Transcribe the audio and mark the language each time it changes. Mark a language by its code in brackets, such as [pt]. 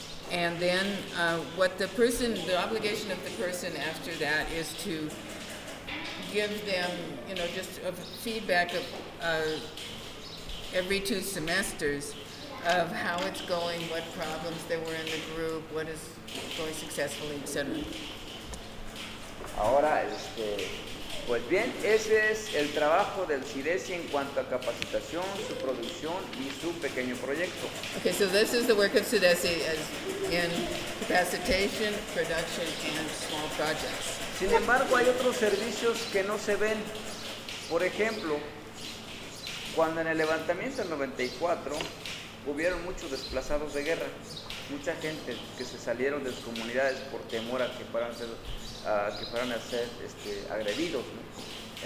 [en] And then what the person, the obligation of the person after that is to give them, you know, just a feedback of every 2 semesters of how it's going, what problems there were in the group, what is going successfully, etc. [es] Ahora Pues bien, ese es el trabajo del CIDESI en cuanto a capacitación, su producción y su pequeño proyecto. [en] Okay, so this is the work of CIDESI as in capacitation, production and small projects. [es] Sin embargo, hay otros servicios que no se ven. Por ejemplo, cuando en el levantamiento del 94 hubieron muchos desplazados de guerra, mucha gente que se salieron de sus comunidades por temor a que fueran a ser, agredidos, ¿no?